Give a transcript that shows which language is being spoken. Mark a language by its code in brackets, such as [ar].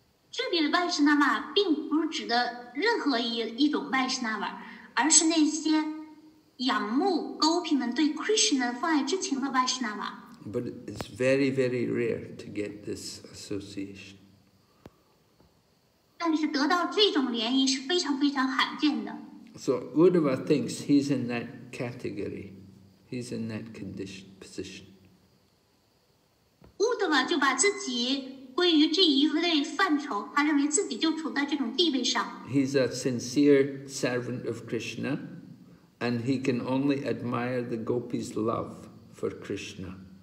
[zh] 这里里的 Vaishnava 并不是指的任何 一种 Vaishnava， 而是那些仰慕 Gopi 们对 Krishna 的父爱之情的 Vaishnava。 [en] But it's very very rare to get this association。 [zh] 但是得到这种联谊是非常非常罕见的。 [en] So Uddhava thinks he's in that category, he's in that condition, position。 [zh] Uddhava 就把自己归于这一类范畴，他认为自己就处在这种地位上。 [en] He's a sincere servant of Krishna and he can only admire the gopis' love for Krishna。